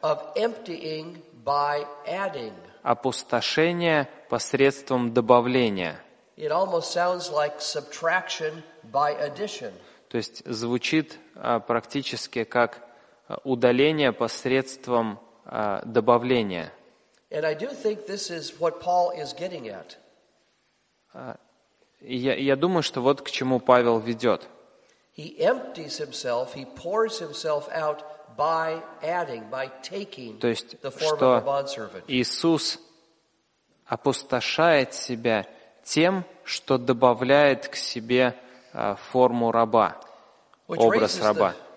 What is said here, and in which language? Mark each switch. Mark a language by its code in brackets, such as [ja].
[en] Of emptying by adding. [ru] Опустошение посредством добавления. [en] It almost sounds like subtraction by addition. [ru] То есть звучит практически как удаление посредством добавления. [en] And I do think this is what Paul is getting at. [ru] Я думаю, что вот к чему Павел ведет. [en] He empties himself, he pours himself out by adding, by taking the form of a bondservant. [ru] Иисус опустошает себя тем, что добавляет к себе форму раба, образ раба.